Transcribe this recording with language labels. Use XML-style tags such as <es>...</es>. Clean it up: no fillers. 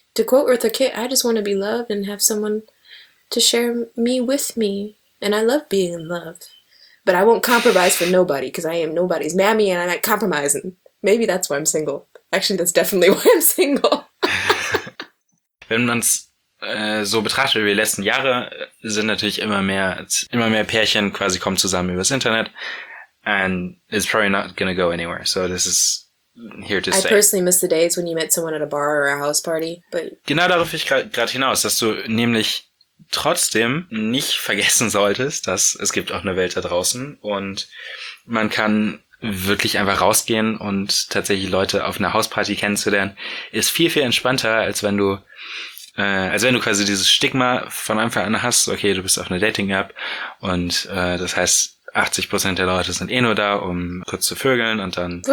<en>To quote Eartha Kitt, I just want to be loved and have someone to share me with me. And I love being in love. But I won't compromise for nobody, because I am nobody's mammy and I'm not compromising. Maybe that's why I'm single. Actually, that's definitely why I'm single.</en> <de>Wenn man es so betrachtet wie die letzten Jahre, sind natürlich immer mehr Pärchen quasi kommen zusammen übers Internet.</de> <en>And it's probably not gonna go anywhere. So this is here to I stay. personally miss the days when you met someone at a bar or a house party, but</en> <de>Genau darauf will ich gerade hinaus, dass du nämlich trotzdem nicht vergessen solltest, dass es gibt auch eine Welt da draußen und man kann wirklich einfach rausgehen und tatsächlich Leute auf einer Hausparty kennenzulernen, ist viel, viel entspannter, als wenn du quasi dieses Stigma von Anfang an hast, okay, du bist auf einer Dating-App und das heißt, 80% der Leute sind eh nur da, um kurz zu vögeln und dann</de>